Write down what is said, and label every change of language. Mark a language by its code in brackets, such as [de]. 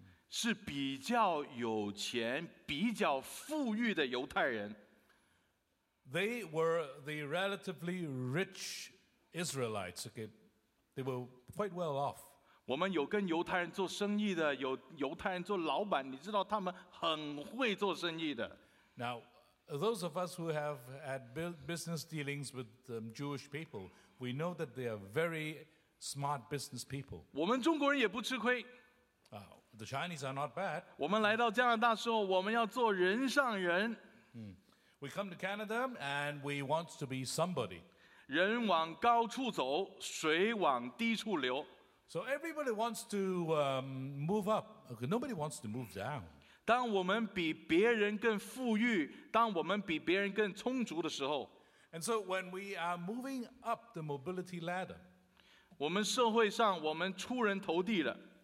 [zh] 是比较有钱、比较富裕的犹太人。 [en] They were the relatively rich Israelites. Okay? They were quite well off. [zh] 我们有跟犹太人做生意的，有犹太人做老板，你知道他们很会做生意的。 [en] Now, those of us who have had business dealings with Jewish people, we know that they are very smart business people. [zh] 我们中国人也不吃亏。 [en] The Chinese are not bad. [zh] 我们来到加拿大时候，我们要做人上人。 [en] We come to Canada and we want to be somebody. [zh] 人往高处走，水往低处流。 [en] So everybody wants to move up. Okay, nobody wants to move down. [zh] 当我们比别人更富裕，当我们比别人更充足的时候。 [en] And so when we are moving up the mobility ladder, [zh] 我们社会上我们出人头地了。